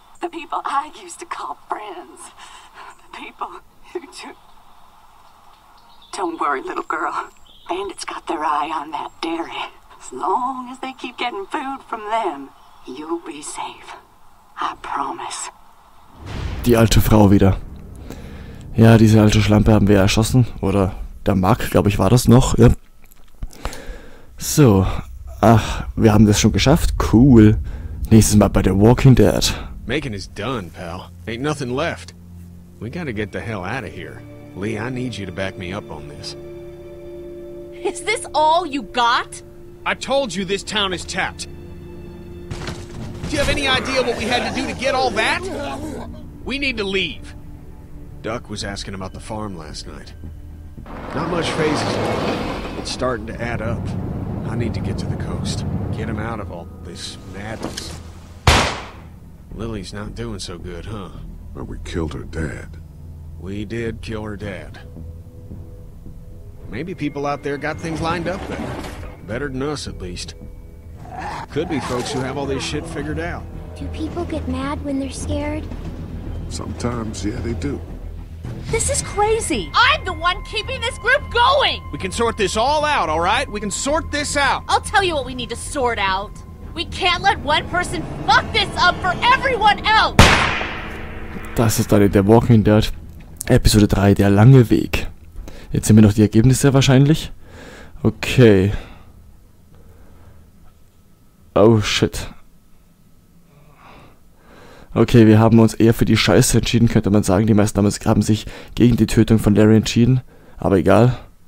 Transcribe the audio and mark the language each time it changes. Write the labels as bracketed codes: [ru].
[en] The people I used to call friends. The people who took... Don't worry, little girl. Bandits got their eye on that dairy. As long as they keep getting food from them, you'll be safe. I promise. [de] Die alte Frau wieder. Ja, diese alte Schlampe haben wir erschossen, oder... Der Mark, glaube ich, war das noch. Ja. So. Ach, wir haben das schon geschafft. Cool. Nächstes Mal bei der Walking Dead. [en] Making is done, pal. Ain't nothing left. We gotta get the hell out of here. Lee, I need you to back me up on this. Is this all you got? I told you this town is tapped. Do you have any idea what we had to do to get all that? We need to leave. Duck was asking about the farm last night. Not much phases. It's starting to add up. I need to get to the coast. Get him out of all this madness. Lily's not doing so good, huh? But we killed her dad. We did kill her dad. Maybe people out there got things lined up better. Better than us, at least. Could be folks who have all this shit figured out. Do people get mad when they're scared? Sometimes, yeah, they do. This is crazy! I'm the one keeping this group going! We can sort this all out, alright? We can sort this out! I'll tell you what we need to sort out. We can't let one person fuck this up for everyone else! [de] Das ist dann in der Walking Dead Episode 3, der lange Weg. Jetzt sehen wir noch die Ergebnisse wahrscheinlich. Okay. [en] Oh shit. [de] Okay, wir haben uns eher für die Scheiße entschieden, könnte man sagen. Die meisten haben sich gegen die Tötung von Larry entschieden. Aber egal.